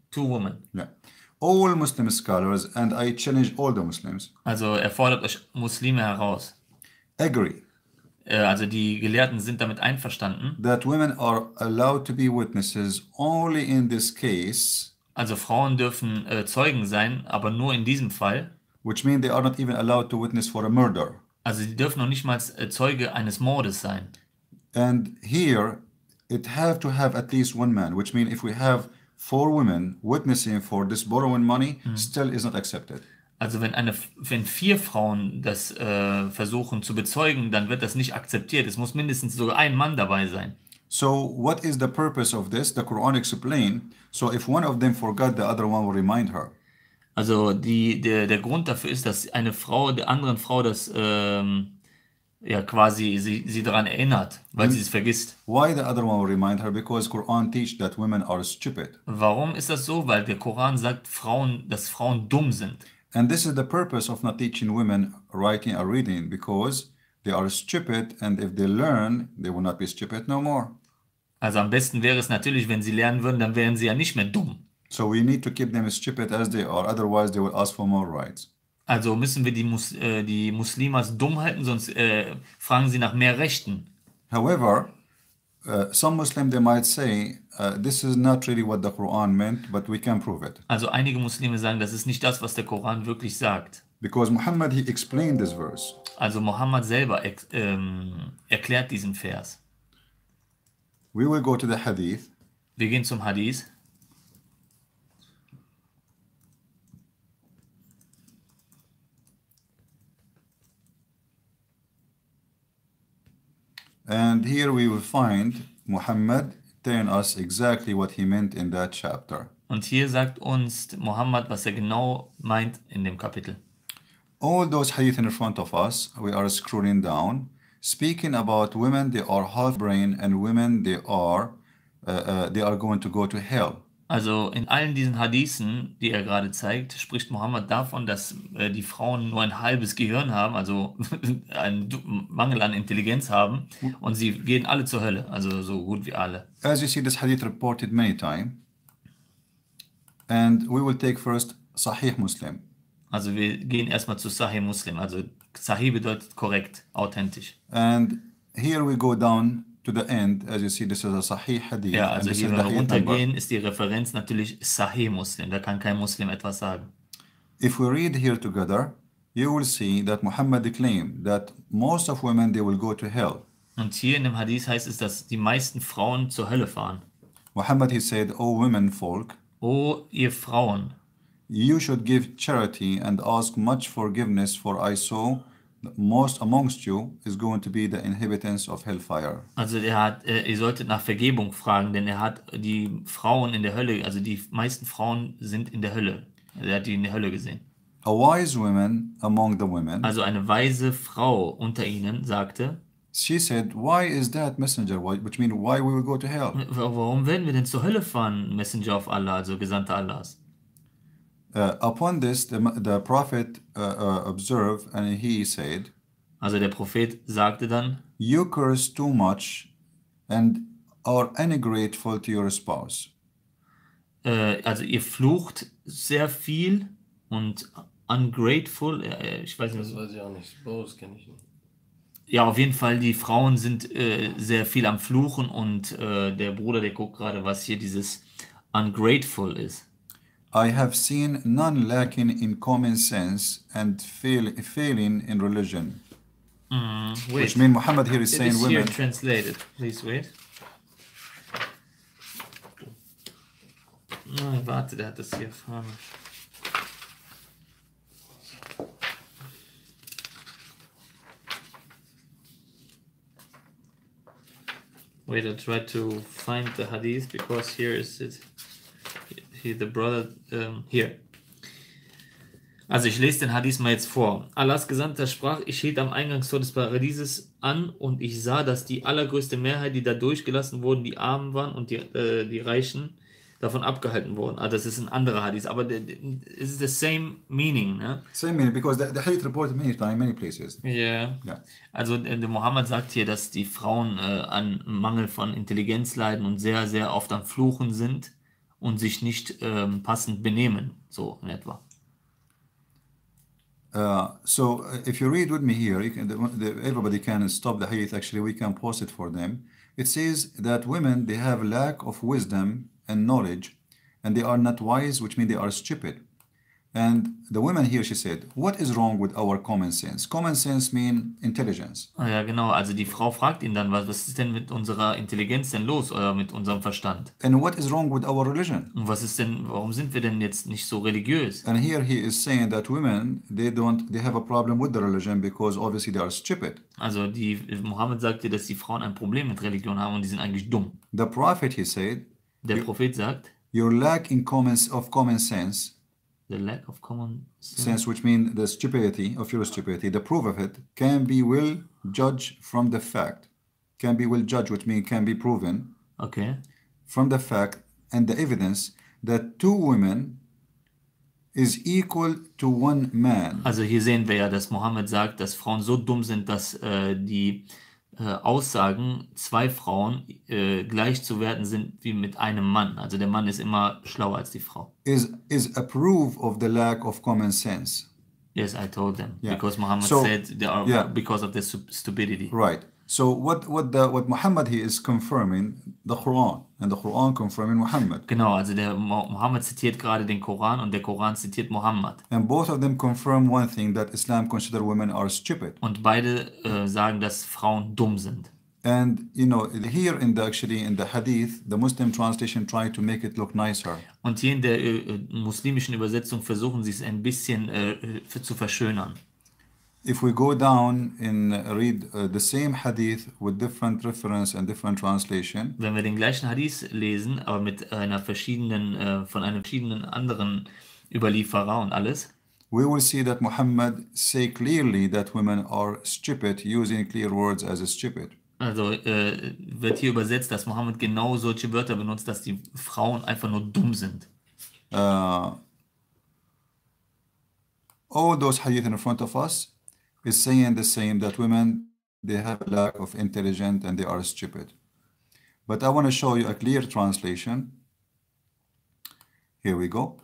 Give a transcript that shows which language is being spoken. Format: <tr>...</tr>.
<en>Two women. Yeah. All Muslim scholars, and I challenge all the Muslims.</en> <de>Also fordert euch Muslime heraus.</de> <en>Agree.</en> <de>Also die Gelehrten sind damit einverstanden.</de> <en>That women are allowed to be witnesses only in this case.</en> <de>Also Frauen dürfen Zeugen sein, aber nur in diesem Fall.</de> <en>Which means they are not even allowed to witness for a murder.</en> <de>Also sie dürfen noch nicht mal Zeuge eines Mordes sein.</de> <en>And here it have to have at least one man, which means if we have four women witnessing for this borrowing money, still is not accepted.</en> <de>Also wenn vier Frauen das versuchen zu bezeugen, dann wird das nicht akzeptiert. Es muss mindestens sogar ein Mann dabei sein.</de> <en>So what is the purpose of this? The Quran explained. So if one of them forgot, the other one will remind her.</en> <de>Also der Grund dafür ist, dass eine Frau der anderen Frau das quasi sie daran erinnert, weil sie es vergisst.</de> <en>Why the other one will remind her? Because Quran teach that women are stupid.</en> <de>Warum ist das so? Weil der Koran sagt, dass Frauen dumm sind.</de> <en>And this is the purpose of not teaching women writing or reading, because they are stupid, and if they learn, they will not be stupid no more.</en> <de>Also am besten wäre es natürlich, wenn sie lernen würden, dann wären sie ja nicht mehr dumm.</de> <en>So we need to keep them as stupid as they are, otherwise they will ask for more rights.</en> <de>Also müssen wir die Muslimas dumm halten, sonst fragen sie nach mehr Rechten.</de> <en>However, some Muslims, they might say, this is not really what the Quran meant, but we can prove it.</en> <de>Also einige Muslime sagen, das ist nicht das, was der Koran wirklich sagt.</de> <en>Because Muhammad, he explained this verse.</en> <de>Also Muhammad selber erklärt diesen Vers.</de> <en>We will go to the Hadith.</en> <de>Wir gehen zum Hadith.</de> <en>And here we will find Muhammad telling us exactly what he meant in that chapter.</en> <de>Und hier sagt uns Muhammad, was genau meint in dem Kapitel.</de> <en>All those hadith in front of us, we are scrolling down, speaking about women, they are half brain, and women, they are going to go to hell.</en> <de>Also in allen diesen Hadithen, die gerade zeigt, spricht Muhammad davon, dass die Frauen nur ein halbes Gehirn haben, also einen Mangel an Intelligenz haben, und sie gehen alle zur Hölle, also so gut wie alle.</de> <en>As you see, this hadith reported many times, and we will take first Sahih Muslim.</en> <de>Also wir gehen erstmal zu Sahih Muslim. Also Sahih bedeutet korrekt, authentisch.</de> <en>And here we go down to the end. As you see, this is a Sahih Hadith.</en> <de>Ja, also hier, wenn wir runtergehen, ist die Referenz natürlich Sahih Muslim. Da kann kein Muslim etwas sagen.</de> <en>If we read here together, you will see that Muhammad claimed that most of women, they will go to hell.</en> <de>Und hier in dem Hadith heißt es, dass die meisten Frauen zur Hölle fahren.</de> <en>Muhammad, he said, O women folk.</en> <de>O ihr Frauen.</de> <en>You should give charity and ask much forgiveness, for I saw most amongst you is going to be the inhabitants of hellfire.</en> <de>Also ihr solltet nach Vergebung fragen, denn hat die Frauen in der Hölle, also die meisten Frauen sind in der Hölle. Hat die in der Hölle gesehen.</de> <en>A wise woman among the women.</en> <de>Also eine weise Frau unter ihnen sagte.</de> <en>She said, why is that messenger? Which means, why we will go to hell?</en> <de>Warum werden wir denn zur Hölle fahren,</de> <en>Messenger of Allah,</en> <de>also Gesandter Allahs?</de> <en>Upon this, the Prophet observed, and he said,</en> <de>also der Prophet sagte dann,</de> <en>you curse too much and are ungrateful to your spouse.</en> <de>Also ihr flucht sehr viel und ungrateful, ich weiß nicht. Das weiß ich auch nicht, Spouse kenne ich nicht. Ja, auf jeden Fall, die Frauen sind sehr viel am Fluchen, und der Bruder, der guckt gerade, was hier dieses ungrateful ist.</de> <en>I have seen none lacking in common sense and failing in religion. Wait. Which means Muhammad here is it saying is women. It is here translated. Please wait.</en> <de>Oh, warte, der hat das hier vorne.</de> <en>Wait, I try to find the hadith, because here is it. The brother here.</en> <de>Also ich lese den Hadith mal jetzt vor. Allahs Gesandter sprach, ich hielt am Eingangstor des Paradieses an und ich sah, dass die allergrößte Mehrheit, die da durchgelassen wurden, die Armen waren und die Reichen davon abgehalten wurden. Also das ist ein anderer Hadith, aber es ist</de> <en>the same meaning.</en> <de>Ne?</de> <en>Same meaning, because the Hadith reported many times in many places. Yeah.</en> <de>Also der Mohammed sagt hier, dass die Frauen an Mangel von Intelligenz leiden und sehr, sehr oft am Fluchen sind und sich nicht passend benehmen, so in etwa.</de> <en>So if you read with me here, you can, everybody can stop the hadith. Actually, we can post it for them. It says that women, they have lack of wisdom and knowledge, and they are not wise, which means they are stupid. And the woman here, she said, what is wrong with our common sense? Common sense means intelligence.</en> <de>Oh, ja, genau. Also die Frau fragt ihn dann, was ist denn mit unserer Intelligenz denn los, oder mit unserem Verstand?</de> <en>And what is wrong with our religion?</en> <de>Und was ist denn, warum sind wir denn jetzt nicht so religiös?</de> <en>And here he is saying that women, they have a problem with the religion because obviously they are stupid.</en> <de>Also die Mohammed sagte, dass die Frauen ein Problem mit Religion haben und die sind eigentlich dumm.</de> <en>The prophet, he said,</en> <de>der Prophet sagt,</de> <en>your lack in common sense, the lack of common sense, which means the stupidity of your stupidity, the proof of it, can be well judged from the fact. Can be well judged, which means can be proven. Okay. From the fact and the evidence that two women is equal to one man.</en> <de>Also hier sehen wir ja, dass Mohammed sagt, dass Frauen so dumm sind, dass die Aussagen zwei Frauen gleich zu werten sind wie mit einem Mann. Also der Mann ist immer schlauer als die Frau.</de> <en>Is a proof of the lack of common sense. Yes, I told them. Yeah. Because Muhammad said they are because of the stupidity. Right. So what Muhammad he is confirming the Quran and the Quran confirming Muhammad.</en> <de>Genau, also der Muhammad zitiert gerade den Koran und der Koran zitiert Muhammad.</de> <en>And both of them confirm one thing that Islam consider women are stupid.</en> <de>Und beide sagen, dass Frauen dumm sind.</de> <en>And you know, here in the actually in the hadith, the Muslim translation tried to make it look nicer.</en> <de>Und hier in der muslimischen Übersetzung versuchen sie es ein bisschen zu verschönern.</de> <en>If we go down and read the same hadith with different reference and different translation,</en> <de>wenn wir den gleichen Hadith lesen, aber mit einer verschiedenen von einem verschiedenen anderen Überlieferer und alles,</de> <en>we will see that Muhammad say clearly that women are stupid, using clear words as stupid.</en> <de>Also wird hier übersetzt, dass Muhammad genau solche Wörter benutzt, dass die Frauen einfach nur dumm sind.</de> <en>All those hadith in front of us is saying the same, that women, they have a lack of intelligence and they are stupid. But I want to show you a clear translation. Here we go.</en>